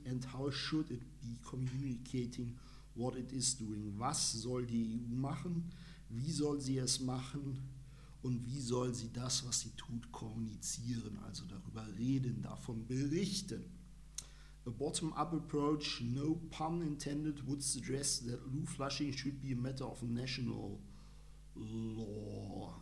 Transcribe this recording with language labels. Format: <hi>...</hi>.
<en>And how should it be communicating what it is doing?</en> <de>Was soll die EU machen? Wie soll sie es machen? Und wie soll sie das, was sie tut, kommunizieren? Also darüber reden, davon berichten.</de> <en>A bottom-up approach, no pun intended, would suggest that loo flushing should be a matter of national law.</en>